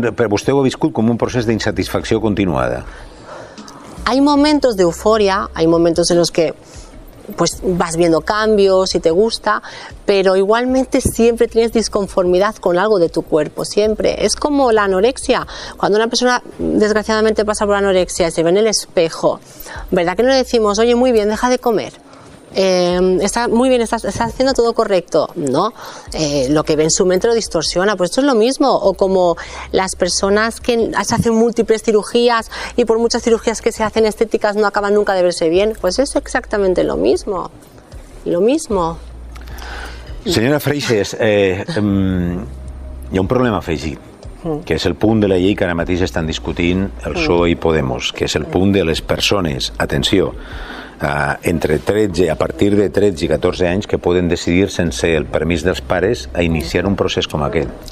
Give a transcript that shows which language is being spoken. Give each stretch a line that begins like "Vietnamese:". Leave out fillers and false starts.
Catalan: vostè ho ha viscut com un procés d'insatisfacció continuada.
Spanish: Hay momentos de euforia, hay momentos en los que pues vas viendo cambios y te gusta, pero igualmente siempre tienes disconformidad con algo de tu cuerpo, siempre. Es como la anorexia. Cuando una persona desgraciadamente pasa por anorexia y se ve en el espejo, ¿verdad que no le decimos, oye, muy bien, deja de comer? Está muy bien, está haciendo todo correcto, ¿no? Lo que ve en su mente lo distorsiona, pues esto es lo mismo. O como las personas que se hacen múltiples cirugías y por muchas cirugías que se hacen estéticas no acaban nunca de verse bien, pues es exactamente lo mismo, lo mismo.
Catalan: Señora Freixas, hi ha un problema afegit, que és el punt de la llei que ara mateix estan discutint el PSOE i Podemos, que és el punt de les persones, atenció, a partir de 13 i 14 anys que poden decidir sense el permís dels pares a iniciar un procés com aquest.